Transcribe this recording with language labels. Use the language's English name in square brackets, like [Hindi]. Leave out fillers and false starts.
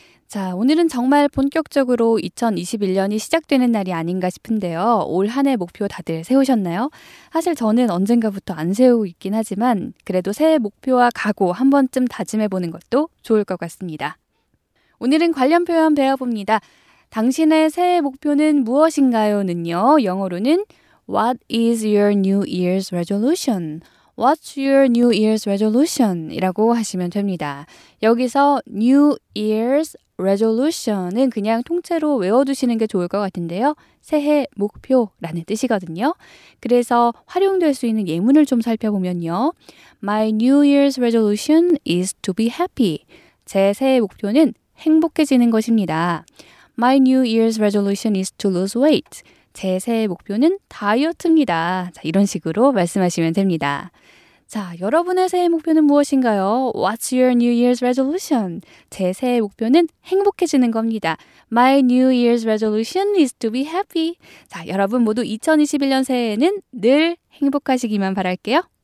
[Korean] 자, 오늘은 정말 본격적으로 2021년이 시작되는 날이 아닌가 싶은데요. 올 한 해 목표 다들 세우셨나요? 사실 저는 언젠가부터 안 세우고 있긴 하지만 그래도 새해 목표와 각오 한 번쯤 다짐해보는 것도 좋을 것 같습니다. 오늘은 관련 표현 배워봅니다. 당신의 새해 목표는 무엇인가요?는요. [English] 영어로는 What is your New Year's resolution? What's your New Year's resolution? [Korean] 이라고 하시면 됩니다. 여기서 New Year's Resolution은 그냥 통째로 외워두시는 게 좋을 것 같은데요. 새해 목표라는 뜻이거든요. 그래서 활용될 수 있는 예문을 좀 살펴보면요. [English] My New Year's resolution is to be happy. [Korean] 제 새해 목표는 행복해지는 것입니다. [English] My New Year's resolution is to lose weight. [Korean] 제 새해 목표는 다이어트입니다. 자, 이런 식으로 말씀하시면 됩니다. 자, 여러분의 새해 목표는 무엇인가요? [English] What's your New Year's resolution? [Korean] 제 새해 목표는 행복해지는 겁니다. [English] My New Year's resolution is to be happy. [Korean] 자, 여러분 모두 2021년 새해에는 늘 행복하시기만 바랄게요.